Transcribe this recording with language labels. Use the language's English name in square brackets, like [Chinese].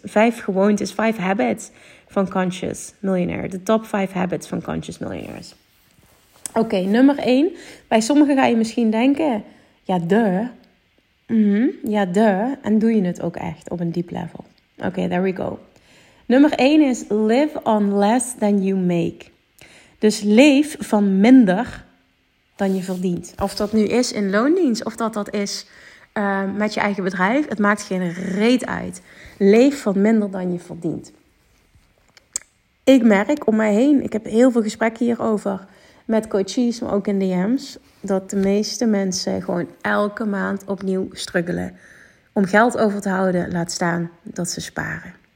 [Dutch] 5 gewoontes, 5 habits van Conscious Millionaire. De top 5 habits van Conscious Millionaires. Oké, nummer 1. Bij sommigen ga je misschien denken, ja, duh. Mm-hmm. Ja, duh. En doe je het ook echt op een diep level. [English] Oké, there we go. [Dutch] Nummer 1 [English] is live on less than you make. [Dutch] Dus leef van minder dan je verdient. Of dat nu is in loondienst, of dat is met je eigen bedrijf. Het maakt geen reet uit. Leef van minder dan je verdient. Ik merk om mij heen, ik heb heel veel gesprekken hierover met coaches, maar ook in DM's, dat de meeste mensen gewoon elke maand opnieuw struggelen om geld over te houden, laat staan dat ze sparen.